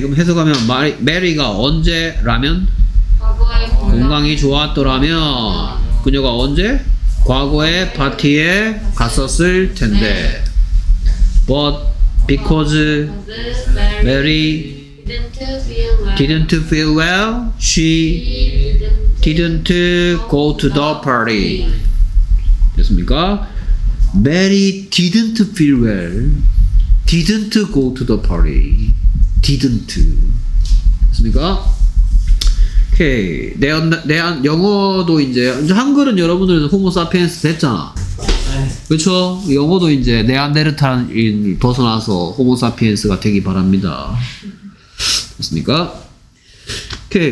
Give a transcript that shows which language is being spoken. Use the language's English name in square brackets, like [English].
[Korean] 그럼 해석하면 메리가 언제 라면 건강이 좋았더라면 그녀가 언제 과거에 파티에 갔었을 텐데. [English] But because Mary didn't feel well, she didn't go to the party. [Korean] 됐습니까? [English] Mary didn't feel well, didn't go to the party. Didn't. [Korean] 됐습니까? 오케이. 내한 영어도 이제 한글은 여러분들은 호모 사피엔스 됐잖아. 그렇죠? 영어도 이제 네안데르탈인 벗어나서 호모 사피엔스가 되기 바랍니다. 됐습니까? 오케이.